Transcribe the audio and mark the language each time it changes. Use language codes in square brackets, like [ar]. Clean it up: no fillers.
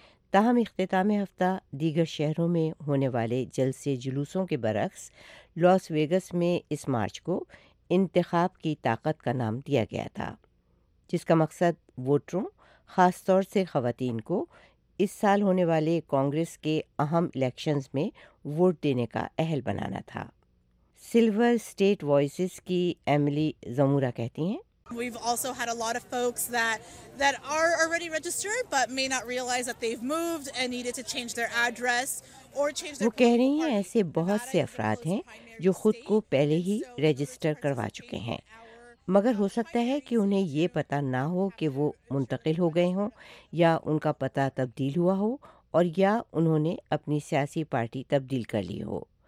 [ur] تاہم اختتام ہفتہ دیگر شہروں میں ہونے والے جلسے جلوسوں کے برعکس، لاس ویگس میں اس مارچ کو انتخاب کی طاقت کا نام دیا گیا تھا، جس کا مقصد ووٹروں، خاص طور سے خواتین کو اس سال ہونے والے کانگریس کے اہم الیکشنز میں ووٹ دینے کا اہل بنانا تھا. سلور اسٹیٹ وائسز کی ایملی زمورہ کہتی ہیں، [en] We've also had a lot of folks that are already registered but may not realize that they've moved and needed to change their address or change their. [ur] وہ کہہ رہی ہیں ایسے بہت سے افراد ہیں جو خود کو پہلے ہی رجسٹر کروا چکے ہیں، مگر ہو سکتا ہے کہ انہیں یہ پتہ نہ ہو کہ وہ منتقل ہو گئے ہوں، یا ان کا پتہ تبدیل ہوا ہو، اور یا انہوں نے اپنی سیاسی پارٹی تبدیل کر لی ہو.